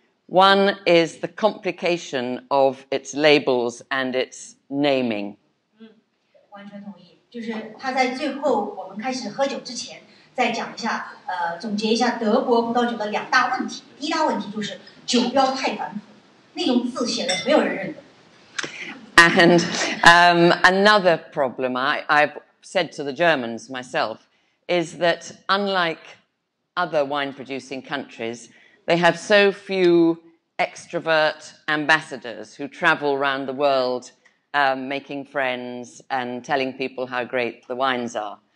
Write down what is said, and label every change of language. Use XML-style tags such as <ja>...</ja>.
<en>One is the complication of its labels and its naming.</en> <zh>完全同意，就是他在最后我们开始喝酒之前，再讲一下，总结一下德国葡萄酒的两大问题。第一大问题就是酒标太繁复，那种字写的没有人认得。</zh> <en>And another problem I've said to the Germans myself is that unlike other wine-producing countries, they have so few extrovert ambassadors who travel around the world making friends and telling people how great the wines are.</en>